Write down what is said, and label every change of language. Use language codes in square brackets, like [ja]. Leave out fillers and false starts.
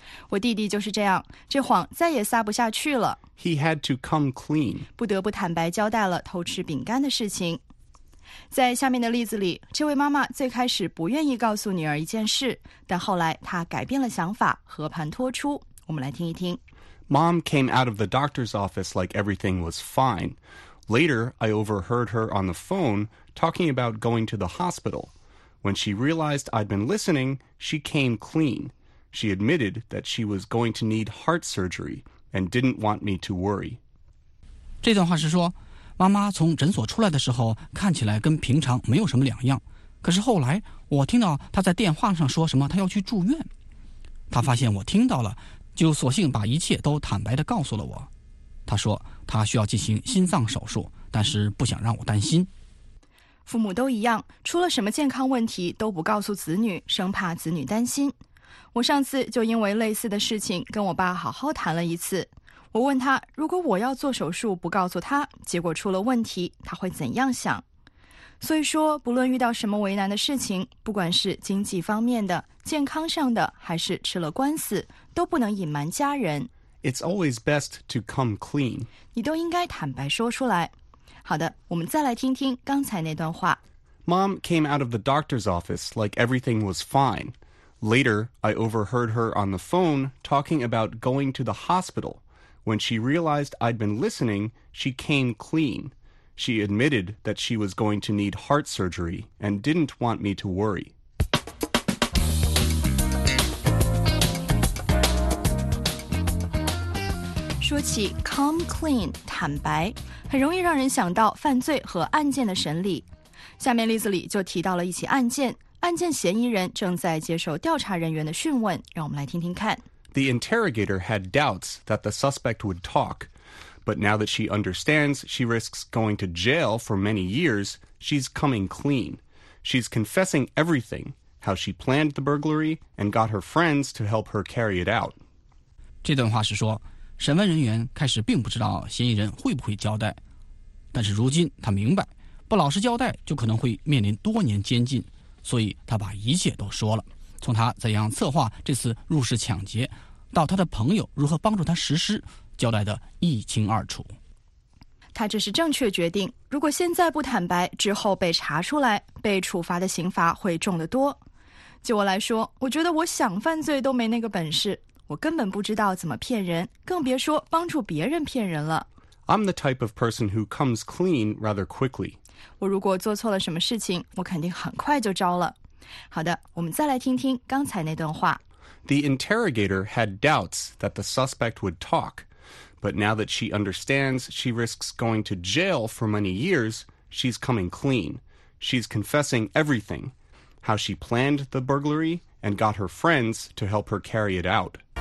[zh] 我弟弟就是这样，这谎再也撒不下去了。 [en] He had to come clean. [zh] 不得不坦白交代了偷吃饼干的事情。在下面的例子里，这位妈妈最开始不愿意告诉女儿一件事，但后来她改变了想法，和盘托出。我们来听一听。 [en] Mom came out of the doctor's office like everything was fine. Later, I overheard her on the phone talking about going to the hospital. When she realized I'd been listening, she came clean. She admitted that she was going to need heart surgery and didn't want me to worry. [zh] 这段话是说妈妈从诊所出来的时候看起来跟平常没有什么两样，可是后来我听到她在电话上说什么她要去住院，她发现我听到了，就索性把一切都坦白地告诉了我。她说她需要进行心脏手术，但是不想让我担心。父母都一样，出了什么健康问题都不告诉子女，生怕子女担心。我上次就因为类似的事情跟我爸好好谈了一次，我问他，如果我要做手术不告诉他，结果出了问题，他会怎样想？所以说，不论遇到什么为难的事情，不管是经济方面的、健康上的，还是吃了官司，都不能隐瞒家人。 [en] It's always best to come clean. [zh] 你都应该坦白说出来。好的，我们再来听听刚才那段话。 [en] Mom came out of the doctor's office like everything was fine. Later, I overheard her on the phone talking about going to the hospital. When she realized I'd been listening, she came clean. She admitted that she was going to need heart surgery and didn't want me to worry. [zh] 说起 come clean 坦白，很容易让人想到犯罪和案件的审理。下面例子里就提到了一起案件，案件嫌疑人正在接受调查人员的讯问，让我们来听听看。 [en] The interrogator had doubts that the suspect would talk, but now that she understands she risks going to jail for many years, she's coming clean. She's confessing everything, how she planned the burglary and got her friends to help her carry it out. [zh] 这段话是说审问人员开始并不知道嫌疑人会不会交代，但是如今他明白，不老实交代就可能会面临多年监禁，所以他把一切都说了，从他怎样策划这次入室抢劫，到他的朋友如何帮助他实施，交代得一清二楚。他这是正确决定，如果现在不坦白，之后被查出来，被处罚的刑罚会重得多。就我来说，我觉得我想犯罪都没那个本事，我根本不知道怎么骗人，更别说帮助别人骗人了。 [en] I'm the type of person who comes clean rather quickly. [zh] 我如果做错了什么事情，我肯定很快就招了。好的，我们再来听听刚才那段话。 [en] The interrogator had doubts that the suspect would talk, but now that she understands she risks going to jail for many years, she's coming clean. She's confessing everything, how she planned the burglary and got her friends to help her carry it out.